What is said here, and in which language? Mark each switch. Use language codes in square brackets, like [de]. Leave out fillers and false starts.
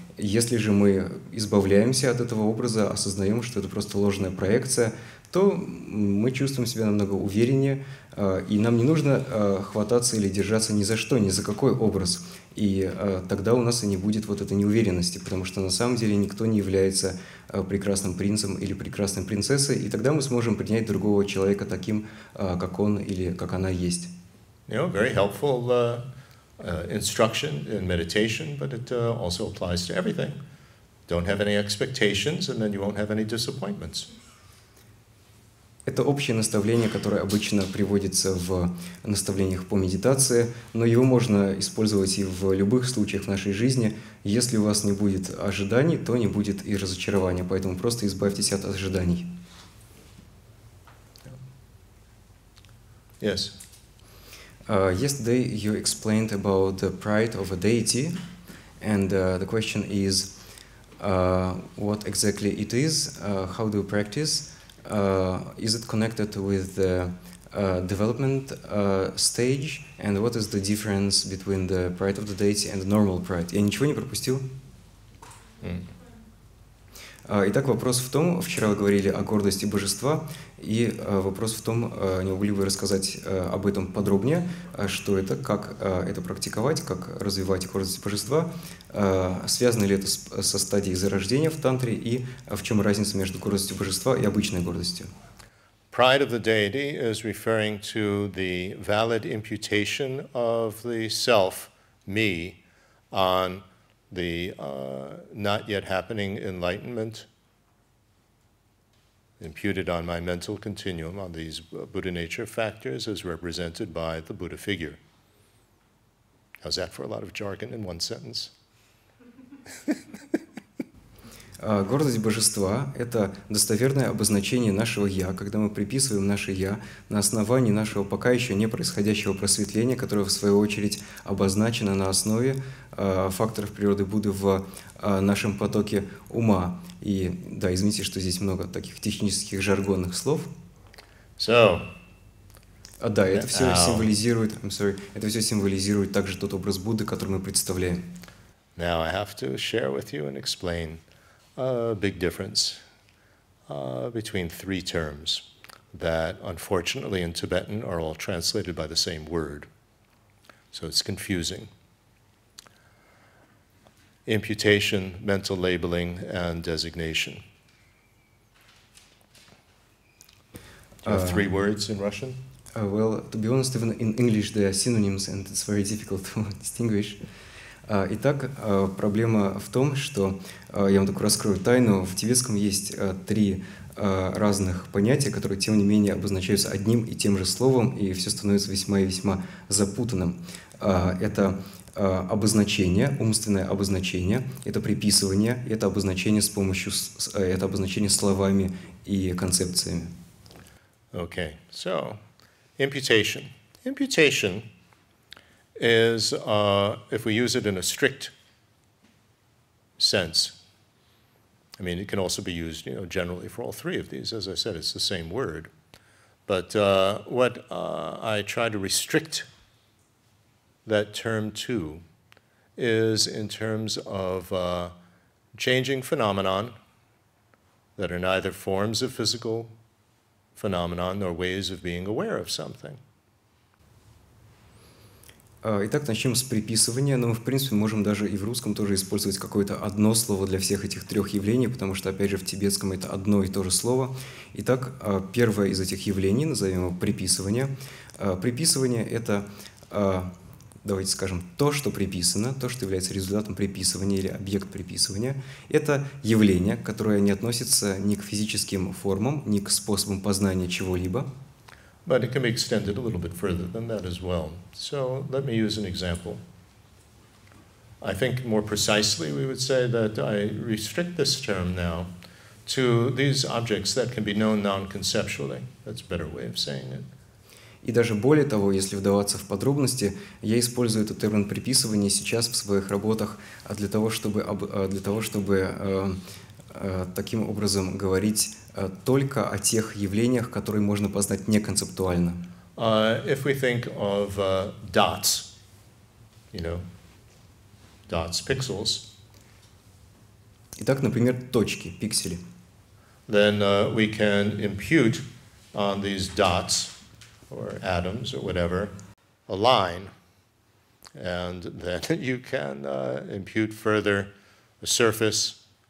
[ru] Если же мы избавляемся от этого образа, осознаем, что это просто ложная проекция, то мы чувствуем себя намного увереннее, и нам не нужно хвататься или держаться ни за что, ни за какой образ. И тогда у нас и не будет вот этой неуверенности, потому что на самом деле никто не является прекрасным принцем или прекрасной принцессой, и тогда мы сможем принять другого человека таким, как он или как она есть. [en] You know, very helpful instruction in meditation, but it also applies to everything. Don't have any expectations, and then you won't have any disappointments. [ru] Это общее наставление, которое обычно приводится в наставлениях по медитации, но его можно использовать и в любых случаях в нашей жизни. Если у вас не будет ожиданий, то не будет и разочарования, поэтому просто избавьтесь от ожиданий. [en] Yes. Yesterday you explained about the pride of a deity, and the question is, what exactly it is, how do you practice? Is it connected with the development stage? And what is the difference between the pride of the deity and the normal pride? [ru] Я ничего не пропустил? Итак, вопрос в том, вчера вы говорили о гордости божества, и вопрос в том, не могли бы вы рассказать об этом подробнее, что это, как это практиковать, как развивать гордость божества, связано ли это со стадией зарождения в тантре, и в чем разница между гордостью божества и обычной гордостью? [en] Pride of the deity is referring to the valid imputation of the self, me, on the not yet happening enlightenment, imputed on my mental continuum, on these Buddha nature factors as represented by the Buddha figure. How's that for a lot of jargon in one sentence? [ru] Гордость божества – это достоверное обозначение нашего «я», когда мы приписываем наше «я» на основании нашего пока еще не происходящего просветления, которое, в свою очередь, обозначено на основе факторов природы Будды в нашем потоке ума. И да, извините, что здесь много таких технических жаргонных слов. [en] So, [ru] да, это все символизирует, [en] I'm sorry, [ru] это все символизирует также тот образ Будды, который мы представляем. [en] Now I have to share with you and explain a big difference between three terms that, unfortunately, in Tibetan are all translated by the same word. So it's confusing. Imputation, mental labeling, and designation. Do you have three words in Russian? Well, to be honest, even in English, they are synonyms, and it's very difficult to distinguish. [ru] Итак, проблема в том, что, я вам такую раскрою тайну, в тибетском есть три разных понятия, которые, тем не менее, обозначаются одним и тем же словом, и все становится весьма и весьма запутанным. Это обозначение, умственное обозначение, это приписывание, это обозначение с помощью, это обозначение словами и концепциями. [en] Okay, so, imputation. Imputation is, if we use it in a strict sense, I mean, it can also be used, you know, generally for all three of these. As I said, it's the same word. But what I try to restrict that term to is in terms of changing phenomenon that are neither forms of physical phenomenon nor ways of being aware of something. [ru] Итак, начнем с приписывания, но мы, в принципе, можем даже и в русском тоже использовать какое-то одно слово для всех этих трех явлений, потому что, опять же, в тибетском это одно и то же слово. Итак, первое из этих явлений, назовем его приписывание. Приписывание – это, давайте скажем, то, что приписано, то, что является результатом приписывания или объект приписывания. Это явление, которое не относится ни к физическим формам, ни к способам познания чего-либо. [en] But it can be extended a little bit further than that as well. So let me use an example. I think more precisely we would say that I restrict this term now to these objects that can be known non-conceptually. That's a better way of saying it. [ru] И даже более того, если вдаваться в подробности, я использую этот термин приписывание сейчас в своих работах для того, чтобы таким образом говорить только о тех явлениях, которые можно познать неконцептуально. [en] If we think of dots, you know, dots, pixels. [ru] Итак, например, точки, пиксели. [en] Then we can impute on these dots or atoms or whatever a line, and then you can impute further a surface.